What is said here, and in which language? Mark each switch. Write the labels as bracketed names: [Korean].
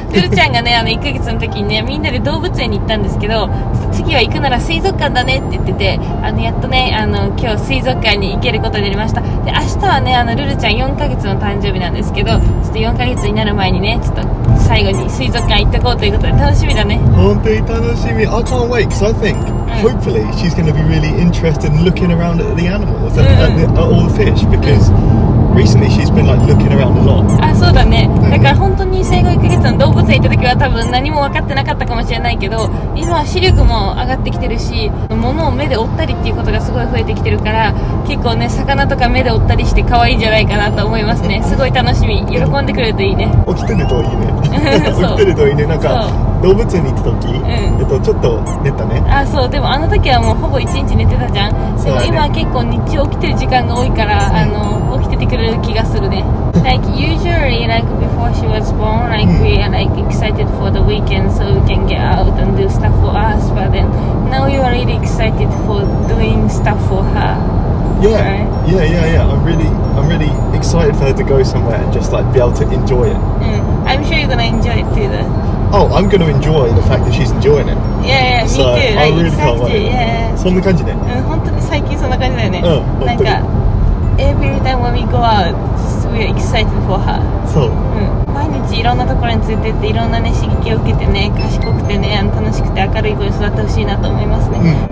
[Japanese] ルルちゃんがね、あの1ヶ月の時にね、みんなで動物園に行ったんですけど、次は行くなら水族館だねって言ってて、あのやっとね、あの今日水族館に行けることになりました。で明日はね、あのルルちゃん4ヶ月の誕生日なんですけど、ちょっと4ヶ月になる前にね、ちょっと最後に水族館行ってこうということで楽しみだね。本当に楽しみ。 [English] I can't wait because I think、hopefully she's going to be really interested in looking around at the animals and、at all the fish becauseRecently she's been like looking around a lot. [Japanese] あ、そうだね。だから本当に生後1ヶ月の動物園行った時は多分何も分かってなかったかもしれないけど、今は視力も上がってきてるし、物を目で追ったりっていうことがすごい増えてきてるから、結構ね、魚とか目で追ったりして可愛いんじゃないかなと思いますね。すごい楽しみ。喜んでくれるといいね。起きてるといいね。起きてるといいね。なんか動物園に行った時、ちょっと寝たね。あ、そう。でもあの時はもうほぼ1日寝てたじゃん。でも今は結構日中起きてる時間が多いから、 [English] Like usually, like before she was born, like we are like excited for the weekend so we can get out and do stuff for us. But then now you are really excited for doing stuff for her. Yeah. I'm really excited for her to go somewhere and just like be able to enjoy it. I'm sure you're gonna enjoy it too, though. Oh, I'm gonna enjoy the fact that she's enjoying it. Yeah, me too. I really can't wait. Yeah. [Japanese] そんな感じね。うん、本当に最近そんな感じだよね。うん、本当に。 [English] なんか。Every time when we go out, we are excited for her. [Japanese] そう。うん。毎日いろんなところに連れてって、いろんなね刺激を受けてね、賢くてね、あの楽しくて明るい子に育ってほしいなと思いますね。